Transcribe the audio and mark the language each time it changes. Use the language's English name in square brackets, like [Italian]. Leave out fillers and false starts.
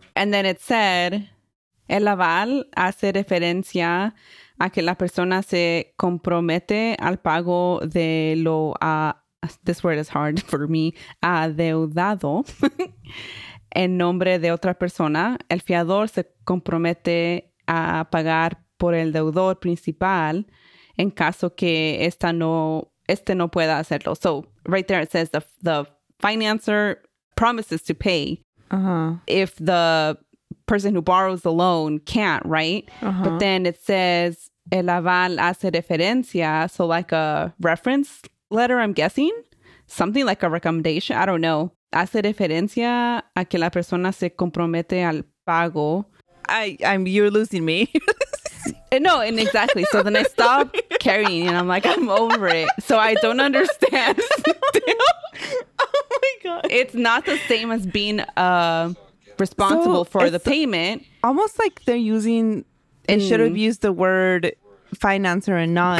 [English] And then it said, [Spanish] el aval hace referencia a que la persona se compromete al pago de lo a. [English] This word is hard for me. [Spanish] Adeudado en nombre de otra persona. El fiador se compromete a pagar por el deudor principal en caso que esta no, este no pueda hacerlo. [English] So right there it says the financer promises to pay if the person who borrows the loan can't, right? Uh-huh. But then it says [Spanish] el aval hace referencia, [English] so like a reference letter, I'm guessing. Something like a recommendation. I don't know. [Spanish] Hace referencia a que la persona se compromete al pago. [English] I'm you're losing me. And exactly. So then I stop carrying and I'm like, I'm over it. So I don't understand. Oh my God. It's not the same as being responsible for the payment. Almost like they're using, it should have used the word financer and not.